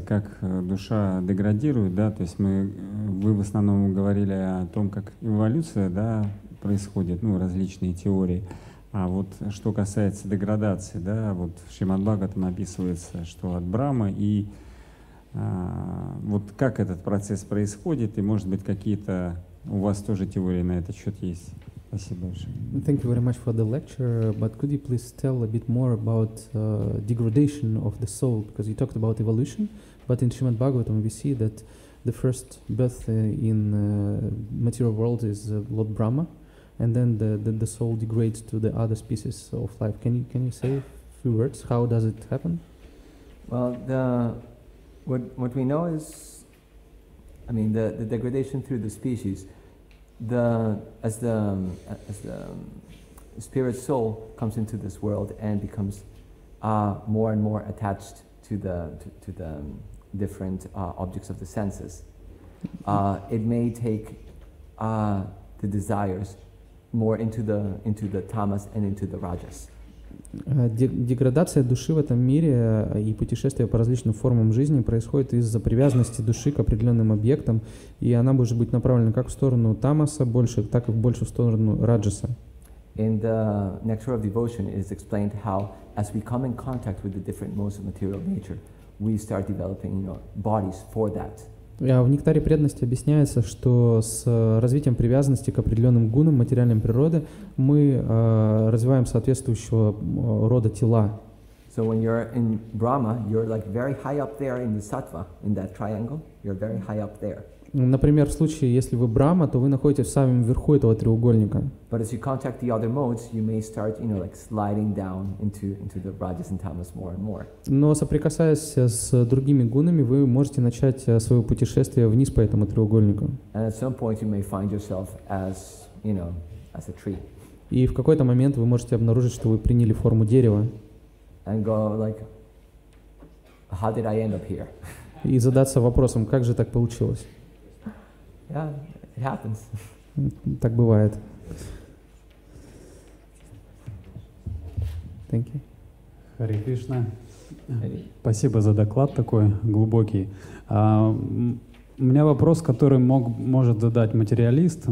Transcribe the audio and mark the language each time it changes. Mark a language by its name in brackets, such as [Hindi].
[Russian] Как душа деградирует, да? То есть вы в основном говорили о том, как эволюция, да, происходит, ну, различные теории. А вот что касается деградации, да, вот в Шримад-Бхагаватам описывается, что от Брахмы, и вот как этот процесс происходит, и, может быть, какие-то у вас тоже теории на этот счет есть? [English] Thank you very much for the lecture, but could you please tell a bit more about degradation of the soul, because you talked about evolution, but in Srimad Bhagavatam we see that the first birth in the material world is Lord Brahma, and then the soul degrades to the other species of life. Can you say few words, how does it happen? Well, what we know is, I mean, the degradation through the species, as the spirit soul comes into this world and becomes more and more attached to the different objects of the senses, it may take the desires more into the tamas and into the rajas. [Russian] Деградация души в этом мире и путешествие по различным формам жизни происходит из-за привязанности души к определенным объектам, и она может быть направлена как в сторону тамаса больше, так и больше в сторону раджаса. [English] In the nectar of devotion is explained how, as we come in contact with the different modes of material nature, we start developing, you know, bodies for that. [Russian] В нектаре преданности объясняется, что с развитием привязанности к определенным гунам материальной природы мы развиваем соответствующего рода тела. [English] So when you're in Brahma, you're like very high up there in the sattva, in that triangle, you're very high up there. [Russian] Например, в случае, если вы Брама, то вы находитесь в самом верху этого треугольника. [English] But as you contact the other modes, you may start, you know, like sliding down into the rajas and tamas more and more. [Russian] Но соприкасаясь с другими гунами, вы можете начать свое путешествие вниз по этому треугольнику. [English] And at some point you may find yourself as, you know, as a tree. [Russian] И в какой-то момент вы можете обнаружить, что вы приняли форму дерева. [English] And go like, how did I end up here? [Russian] И задаться вопросом, как же так получилось? [English] Yeah, it happens. [Russian] Так бывает. [English] Thank you. Hare Krishna. [Russian] Спасибо за доклад такой глубокий. У меня вопрос, который может задать материалист.